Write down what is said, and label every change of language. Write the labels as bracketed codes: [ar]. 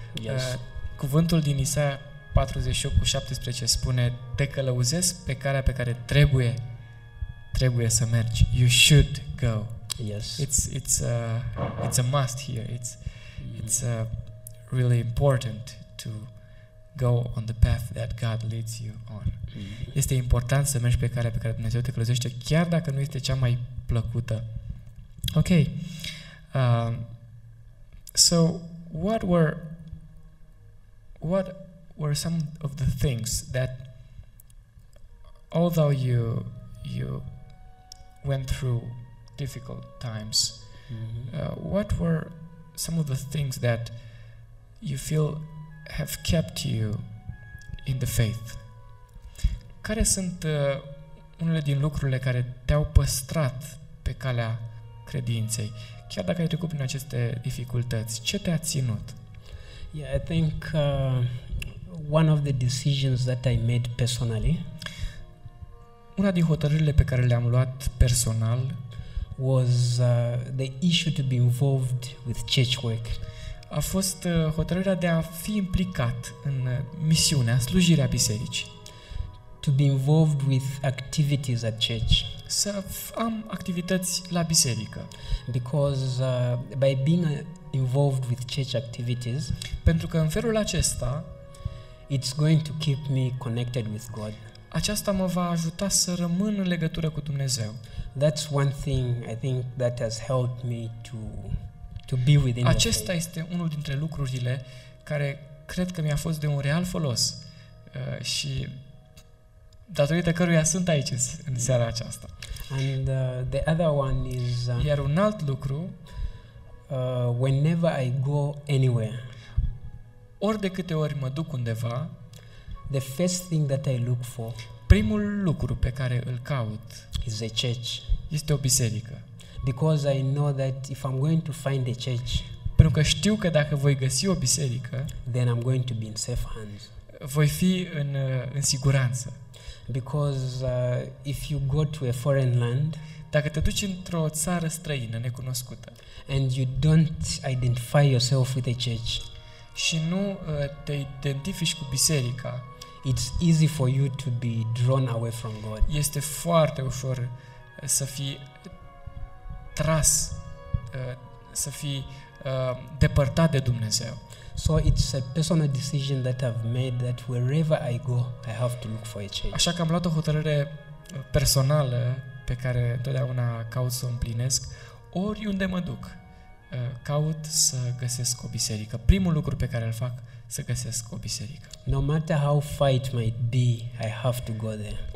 [en] Yes. [ro] Cuvântul din Isaia 48:17 spune: te călăuzesc pe calea pe care trebuie să mergi. [en] You should go. Yes. It's a must here. It's really important to go on the path that God leads you on. [ro] Este important să mergi pe calea pe care Dumnezeu te călăuzește, chiar dacă nu este cea mai plăcută. [en] Okay. So what were some of the things that although you went through difficult times, what were some of the things that you feel have kept you in the faith? [ro] Care sunt unele din lucrurile care te-au păstrat pe calea credinței? Chiar dacă ai trecut prin aceste dificultăți, ce te-a ținut? [en] Yeah, I think one of the decisions that I made personally, [ro] una din hotărârile pe care le-am luat personal, [en] was the issue to be involved with church work. [ro] A fost hotărârea de a fi implicat în misiunea, slujirea bisericii. [en] To be involved with activities at church. [ro] Să am activități la biserică. [en] Because by being involved with church activities, [ro] pentru că în felul acesta, [en] it's going to keep me connected with God. [ro] Aceasta mă va ajuta să rămân în legătură cu Dumnezeu. [en] That's one thing I think that has helped me to be within the faith. [ro] Acesta este unul dintre lucrurile care cred că mi-a fost de un real folos și datorită căruia sunt aici în seara aceasta. [en] And the other one is [ro] iar un alt lucru, [en] whenever I go anywhere, [ro] ori de câte ori mă duc undeva, [en] the first thing that I look for, [ro] Primul lucru pe care îl caut [en] is a church. [ro] Este o biserică. [en] Because I know that if I'm going to find a church, [ro] pentru că știu că dacă voi găsi o biserică, [en] then I'm going to be in safe hands. [ro] Voi fi în siguranță. [en] Because if you go to a foreign land, [ro] dacă te duci într-o țară străină necunoscută, [en] and you don't identify yourself with a church, [ro] și nu te identifici cu biserica, [en] it's easy for you to be drawn away from God. [ro] Este foarte ușor să fii tras, să fii depărtat de Dumnezeu. [en] So it's a personal decision that I've made that wherever I go, I have to look for a church. [ro] Așa că am luat o hotărâre personală pe care întotdeauna caut să o împlinesc, oriunde mă duc, caut să găsesc o biserică. Primul lucru pe care îl fac, să găsesc o biserică. [en] No matter how far it might be, I have to go there.